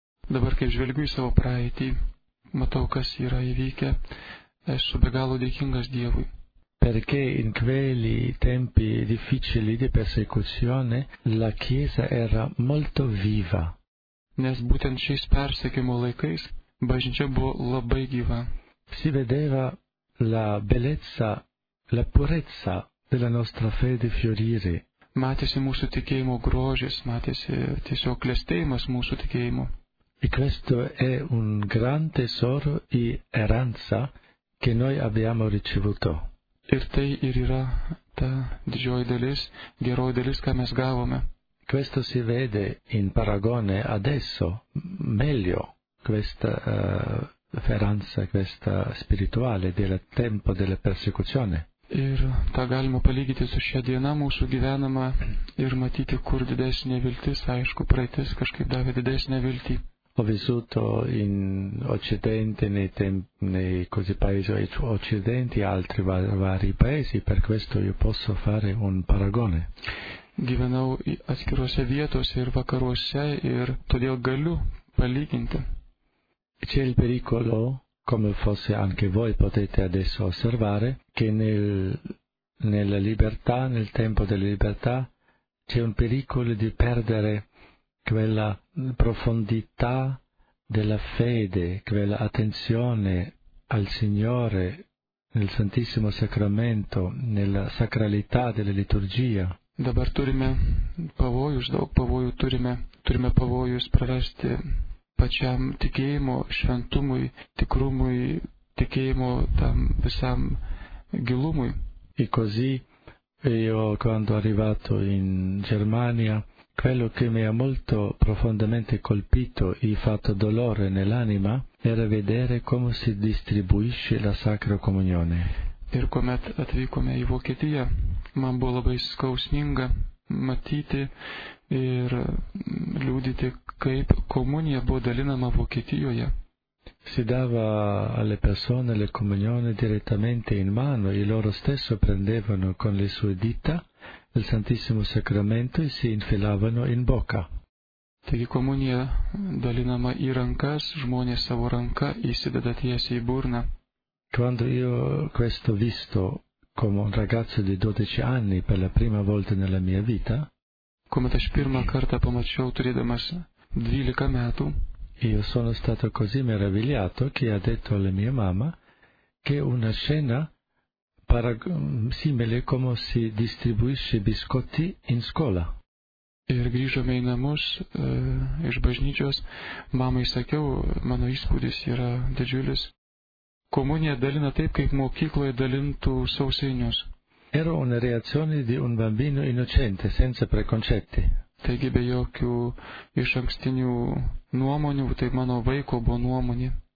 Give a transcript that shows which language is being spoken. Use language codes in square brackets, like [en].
[lt] Dabar kai žvelgiu į savo praeitį, matau kas yra įvykę, esu be galo dėkingas Dievui. [it] Perché in quei tempi difficili di persecuzione la Chiesa era molto viva. [lt] Nes būtent šiais persekimo laikais bažnyčia buvo labai gyva. [it] Si vedeva la bellezza, la purezza della nostra fede fiorire. [lt] Matėsi mūsų tikėjimo grožis, matėsi tiesiog klestėjimas mūsų tikėjimo. [it] E questo è un gran tesoro e eranza che noi abbiamo ricevuto. [lt] Ir tai ir yra ta didžioji dalis, geroji dalis, ką mes gavome. [it] Questo si vede in paragone adesso meglio questa feranza, questa spirituale del tempo della persecuzione. [lt] Ir tą galima palygyti su šia diena mūsų gyvenama ir matyti, kur didesnė viltis, aišku, praeitis kažkaip davė didesnę viltį. [it] Ho vissuto in Occidente, nei così paesi occidenti, altri vari paesi, per questo io posso fare un paragone. [lt] Gyvenau atskirose vietose ir vakaruose ir todėl galiu palyginti. [it] C'è il pericolo, come forse anche voi potete adesso osservare, che nella libertà, nel tempo della libertà, c'è un pericolo di perdere quella profondità della fede, quella attenzione al Signore nel Santissimo Sacramento, nella sacralità della liturgia. [lt] Dabar turime pavojus, daug pavojų turime pavojus prarasti pačiam tikėjimo šventumui, tikrumui, tikėjimo tam visam gilumui. [it] E così io quando arrivato in Germania, quello che mi ha molto profondamente colpito e fatto dolore nell'anima era vedere come si distribuisce la Sacra Comunione. [lt] Ir kuomet atvykome į Vokietiją, man buvo labai skausminga matyti ir liūdyti, kaip komunija buvo dalinama Vokietijoje. [it] Si dava alle persone le comunioni direttamente in mano, e loro stesso prendevano con le sue dita il Santissimo Sacramento e si infilavano in bocca. [lt] Taigi komunija dalinama į rankas, žmonės savo ranka įsideda tiesiai į burną. [it] Quando io questo visto come un ragazzo di 12 anni per la prima volta nella mia vita, [lt] come aš pirmą kartą pamačiau turėdamas 12 metų, [it] io sono stato così meravigliato che ha detto alla mia mamma che una scena simile come si distribuisce biscotti in scuola. [lt] Ir grįžome į namus iš bažnyčios, mamai sakiau, mano įspūdis yra didžiulis. Komunija dalina taip, kaip mokykloje dalintų sausainius. Era una reazione di un bambino innocente, senza preconcetti. Taigi be jokių iš ankstinių nuomonių, tai mano vaiko buvo nuomonė.